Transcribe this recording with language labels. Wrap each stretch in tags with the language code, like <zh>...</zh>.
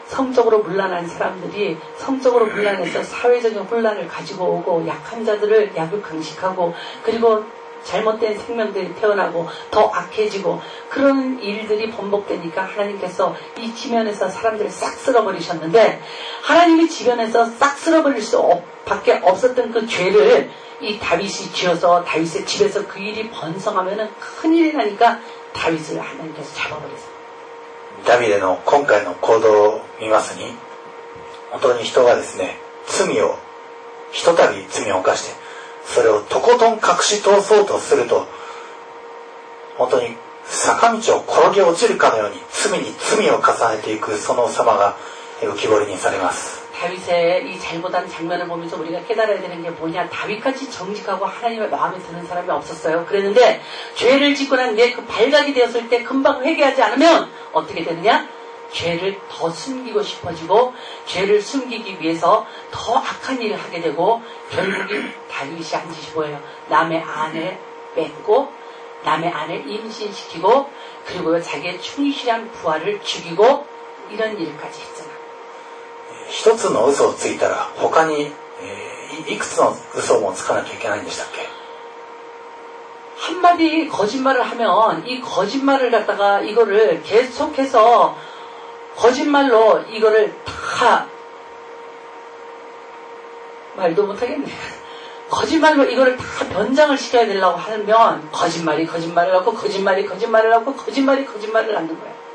<ko>성적으로 문란한 사람들이 성적으로 문란해서 사회적인 혼란을 가지고 오고 약한 자들을 약을 강식하고 그리고 잘못된 생명들이 태어나고 더 악해지고 그런 일들이 번복되니까 하나님께서 이 지면에서 사람들을 싹 쓸어버리셨는데 하나님이 지면에서 싹 쓸어버릴 수 밖에 없었던 그 죄를 이 다윗이 지어서 다윗의 집에서 그 일이 번성하면 큰일이 나니까 다윗을 하나님께서 잡아버렸어요. 다윗의</ko> <ja>今回の 행동을 見ますに 本当に 人がですね 罪を 一度 罪を 犯して それを とことん 隠し通そうとすると 本当に 坂道を 転げ落ちるかのように 罪に 罪を 重ねていく その様が 浮き彫りに されます.</ja> <ko>다윗의 이 잘못한 장면을 보면서 우리가 깨달아야 되는 게 뭐냐? 다윗같이 정직하고 하나님의 마음에 드는 사람이 없었어요. 그랬는데 죄를 짓고 난 뒤에 그 발각이 되었을 때 금방 회개하지 않으면 어떻게 되느냐? 죄를 더 숨기고 싶어지고 죄를 숨기기 위해서 더 악한 일을 하게 되고 결국이 다윗이 한 짓이 뭐예요? 남의 아내 뺏고 남의 아내 임신시키고 그리고 자기의 충실한 부하를 죽이고 이런 일까지 했잖아.</ko> <ja>한つの嘘をついたら他に、いくつの嘘もつかなきゃいけないんでしたっけ。</ja> <ko>한마디거짓말을하면이거짓말을갖다가이거를계속해서거짓말로이거를다말도못하겠네거짓말로이거를다변장을시켜야되려고하면거짓말이거짓말을하고거짓말이거짓말을하고거짓말이거짓말을하는거야</ko>